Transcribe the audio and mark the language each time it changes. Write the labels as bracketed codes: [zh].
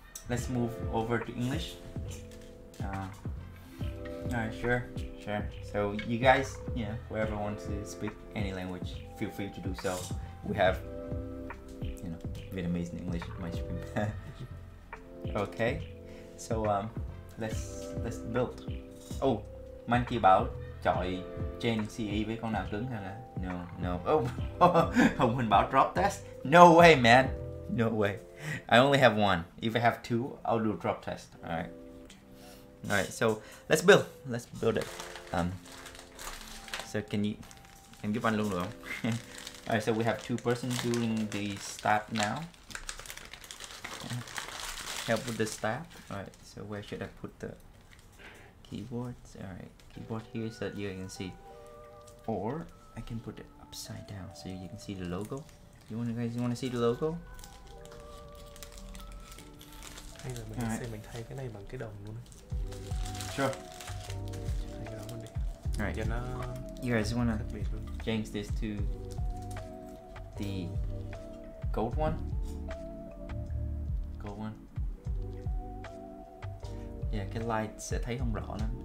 [en] Let's move over to English. Alright, sure. So you guys, yeah, whoever wants to speak any language, feel free to do so. We have, you know, Vietnamese and English in my stream. Okay, so let's build. [vi] Oh, Monkey bảo chọi Gen CE với con nào cứng hơn à? [en] No. Oh, Hồng Huỳnh bảo drop test. No way, man. No way. I only have one. If I have two, I'll do a drop test. All right. So let's build. Let's build it. So can you give one little room? All right. So we have two persons doing the staff now. Help with the staff. All right. So where should I put the keyboards? All right. Keyboard here so that you can see. Or I can put it upside down so you can see the logo. You guys want to see the logo? [vi] Hay là mình sẽ mình thay cái này bằng cái đồng luôn. [en] Sure. [vi] Thay cái đồng luôn đi. [en] Alright. You guys wanna change this to the gold one? Gold one? [vi] Yeah, cái light sẽ thấy không rõ lắm.